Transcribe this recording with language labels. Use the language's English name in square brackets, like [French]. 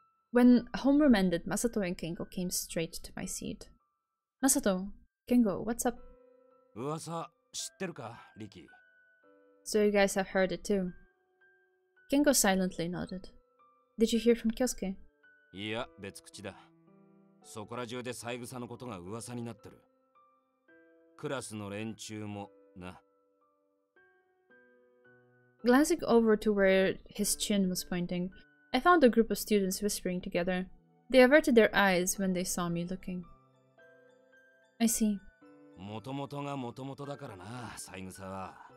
[English] When homeroom ended, Masato and Kengo came straight to my seat. Masato, Kengo, what's up? [Japanese] 噂知ってるか, Riki? [English] So you guys have heard it too. Kengo silently nodded. Did you hear from Kyosuke? [Japanese] いや、別口だ。そこら中で三枝のことが噂になってる。クラスの連中もな。 [English] Glancing over to where his chin was pointing, I found a group of students whispering together. They averted their eyes when they saw me looking. I see. [Japanese] もともとがもともとだからな、三枝は。